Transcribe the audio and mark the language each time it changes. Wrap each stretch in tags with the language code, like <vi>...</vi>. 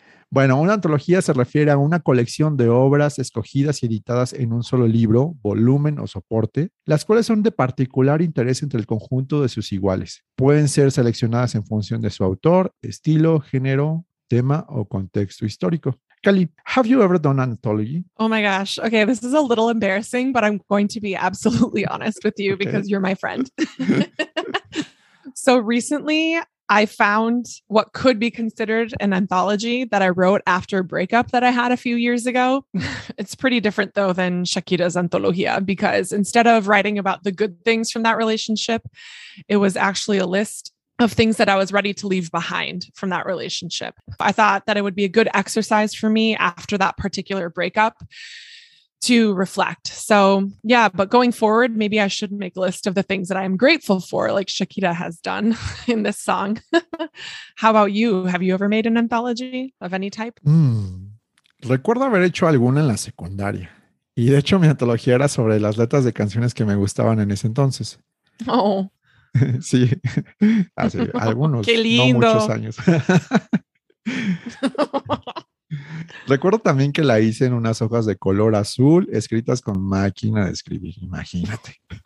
<es>Bueno, una antología se refiere a una colección de obras escogidas y editadas en un solo libro, volumen o soporte, las cuales son de particular interés entre el conjunto de sus iguales. Pueden ser seleccionadas en función de su autor, estilo, género, tema o contexto histórico.</es> <en>Kelly, have you ever done an anthology? Oh my gosh. Okay, this is a little embarrassing, but I'm going to be absolutely honest with you okay. because you're my friend. So recently, I found what could be considered an anthology that I wrote after a breakup that I had a few years ago. It's pretty different though than Shakira's Antología, because instead of writing about the good things from that relationship, it was actually a list of things that I was ready to leave behind from that relationship. I thought that it would be a good exercise for me after that particular breakup to reflect. So yeah, but going forward, maybe I should make a list of the things that I'm grateful for, like Shakira has done in this song. How about you? Have you ever made an anthology of any type?</en> <es>Recuerdo haber hecho alguna en la secundaria. Y de hecho, mi antología era sobre las letras de canciones que me gustaban en ese entonces. Oh, sí, hace algunos, no muchos años. Recuerdo también que la hice en unas hojas de color azul escritas con máquina de escribir, imagínate.</es>